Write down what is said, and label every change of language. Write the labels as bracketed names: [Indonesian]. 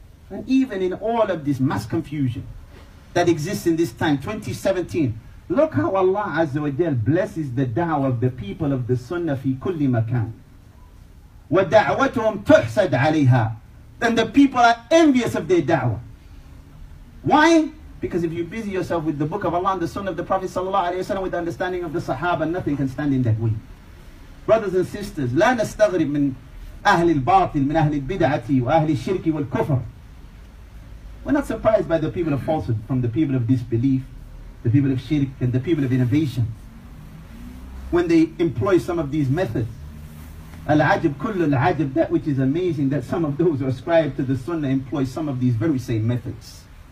[English] And even in all of this mass confusion that exists in this time, 2017, look how Allah Azza wa Jal blesses the da'wah of the people of the Sunnah [Arabic] fi kulli makan. وَدَعْوَتُهُمْ تُحْسَدْ عَلَيْهَا. [English] And the people are envious of their da'wah. Why? Because if you busy yourself with the book of Allah and the Sunnah of the Prophet Sallallahu Alaihi Wasallam with the understanding of the Sahaba, nothing can stand in that way. Brothers and sisters, [Arabic] لا نستغرب من أهل الباطل من أهل البدعة وأهل الشرك والكفر. [English] We're not surprised by the people of falsehood, from the people of disbelief, the people of shirk and the people of innovation. When they employ some of these methods, [Arabic] Al-ajib, kullu al-ajib, [English] that which is amazing, that some of those who ascribe to the sunnah employ some of these very same methods.